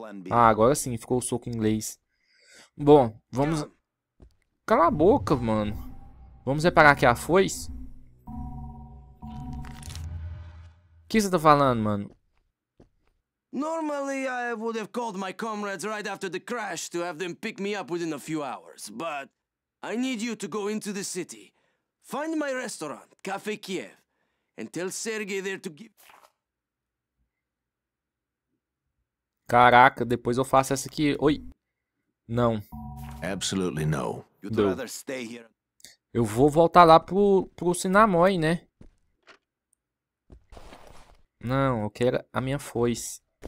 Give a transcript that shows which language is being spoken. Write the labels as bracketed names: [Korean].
[Portuguese] Ah, agora sim, ficou o soco em inglês. Bom, vamos... Cala a boca, mano. Vamos reparar aqui a foice. O que você tá falando, mano? [English] Normally I would have called my comrades right after the crash to have them pick me up within a few hours, but I need you to go into the city. Find my restaurant, Cafe Kiev, and tell Sergey there to give... [Portuguese] Caraca, depois eu faço essa aqui. Oi. Não. [English] Absolutely no. You'd rather stay here. [Portuguese] Eu vou voltar lá pro Cinnamon, né? Não, eu quero a minha foice.